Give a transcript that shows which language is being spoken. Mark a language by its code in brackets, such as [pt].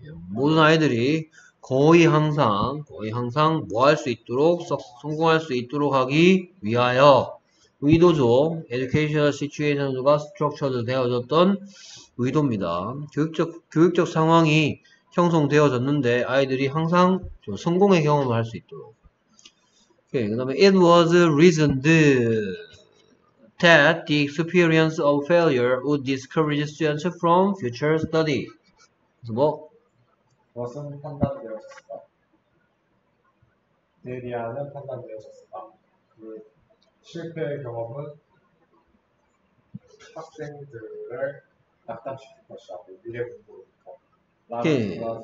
[ko] 모든 아이들이 거의 항상 뭐 할 수 있도록 성공할 수 있도록 하기 위하여 의도죠. [en] Educational situation가 structured [ko] 되어졌던 의도입니다. 교육적 상황이 형성되어졌는데 아이들이 항상 좀 성공의 경험을 할 수 있도록. 오케이, 그다음에 [en] it was reasoned that the experience of failure would discourage students from future study. [ko] 그래서 뭐? 무슨 판단되었을까? 대리하는 판단되었을까? 실패의 경험은 학생들을 낙담시킬 것이라고 미래 공부니까.